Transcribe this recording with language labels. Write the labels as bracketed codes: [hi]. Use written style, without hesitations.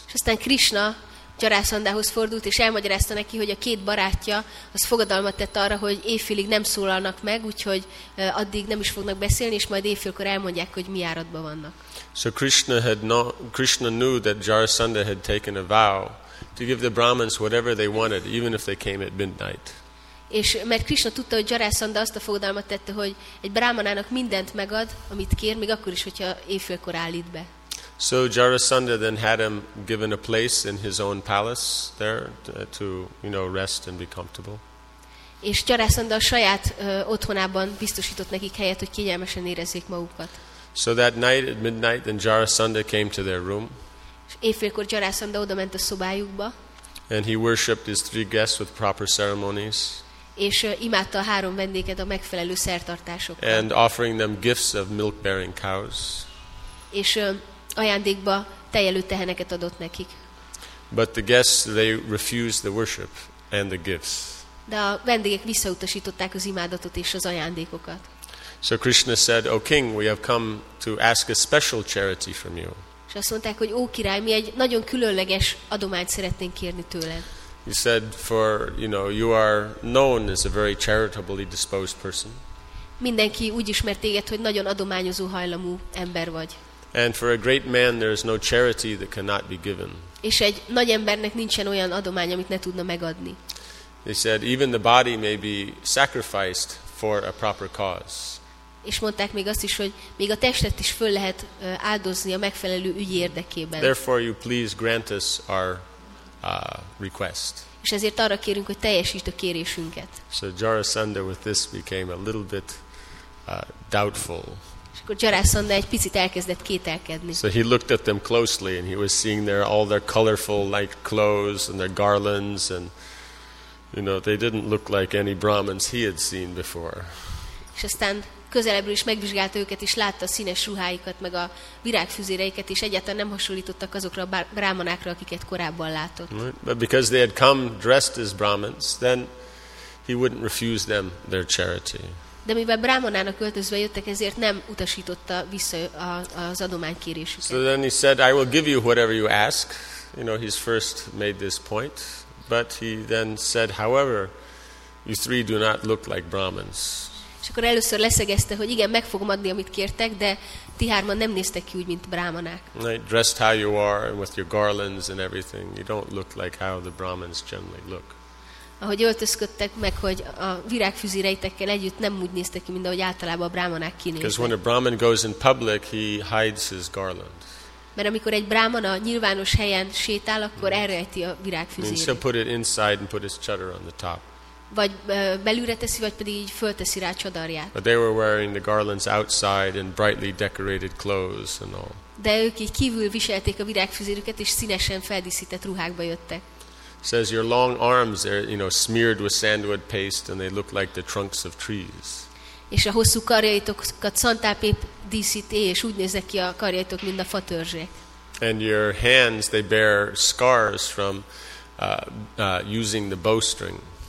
[hu] És aztán Krishna Jarasandhához fordult és elmagyarázta neki, hogy a két barátja az fogadalmat tett arra, hogy éjfélig nem szólalnak meg, úgyhogy addig nem is fognak beszélni, és majd éjfélkor elmondják, hogy mi áradban vannak. [en] So Krishna knew that Jarasandha had taken a vow to give the Brahmins whatever they wanted, even if they came at midnight. [hu] És mert Krishna tudta, hogy Jarasandha azt a fogadalmat tette, hogy egy brahmanának mindent megad, amit kér, még akkor is, hogyha éjfélkor állít be. [en] So Jarasandha then had him given a place in his own palace there to, you know, rest and be comfortable. [hu] És Jarasandha a saját otthonában biztosított nekik helyet, hogy kényelmesen érezzék magukat. [en] So that night at midnight, then Jarasandha came to their room. [hu] Éjfélkor Jarasandha odament a szobájukba. [en] And he worshipped his three guests with proper ceremonies. [hu] És imádta a három vendéget a megfelelő szertartásokkal. [en] And offering them gifts of milk-bearing cows. [hu] És ajándékba tejjelű teheneket adott nekik. [en] But the guests, they refused the worship and the gifts. [hu] De a vendégek visszautasították az imádatot és az ajándékokat. [en] So Krishna said, O king, we have come to ask a special charity from you. [hu] És azt mondták, hogy ó király, mi egy nagyon különleges adományt szeretnénk kérni tőled. [en] He said, for, you know, you are known as a very charitably disposed person. [hu] Mindenki úgy ismer téged, hogy nagyon adományozó hajlamú ember vagy. [en] And for a great man there is no charity that cannot be given. [hu] És egy nagy embernek nincsen olyan adomány, amit ne tudna megadni. [en] He said, even the body may be sacrificed for a proper cause. [hu] És mondták még azt is, hogy még a testet is föl lehet áldozni a megfelelő ügy érdekében. [en] Therefore you please grant us our request. [hu] És ezért arra kérünk, hogy teljesítsd a kérésünket. [en] So Jarasandha with this became a little bit doubtful. [hu] És akkor Jarasandha egy picit elkezdett kételkedni. [en] So he looked at them closely and he was seeing their all their colorful like clothes and their garlands and you know, they didn't look like any Brahmins he had seen before. [hu] És aztán közelebbről is megvizsgálta őket, és látta a színes ruháikat, meg a virágfüzéreiket, és egyáltalán nem hasonlítottak azokra a brahmanákra, akiket korábban látott. [en] But because they had come dressed as Brahmins, then he wouldn't refuse them their charity. [hu] De mivel brahmanának öltözve jöttek, ezért nem utasította vissza az adománykérésüket. [en] So then he said, I will give you whatever you ask. You know, he's first made this point. But he then said, however, you three do not look like Brahmins. [hu] És akkor először leszegezte, hogy igen, meg fogom adni, amit kértek, de ti hárman nem néztek ki úgy, mint brahmanák. [en] Dressed how you are and with your garlands and everything, you don't look like how the Brahmins generally look. [hu] Ahogy öltözködtek meg, hogy a virágfüzéreitekkel együtt nem úgy néztek ki, mint ahogy általában a brahmanák kinéznek. [en] Because when a Brahmin goes in public, he hides his garland. [hu] Mert amikor egy brahmana nyilvános helyen sétál, akkor elrejti a virágfüzéreit. [en] So put it inside and put his chadar on the top. [hu] Vagy belülre teszi, vagy pedig így fölteszi rá a csadarját. [en] But they were wearing the garlands outside in brightly decorated clothes and all. [hu] De ők így kívül viselték a virágfüzérüket és színesen feldíszített ruhákba jöttek. [en] Says your long arms are, you know, smeared with sandalwood paste and they look like the trunks of trees. [hu] És a hosszú karjaitokat szantálpép díszíti, és úgy néznek ki a karjaitok, mint a fatörzsek. [en] And your hands, they bear scars from using the bowstring.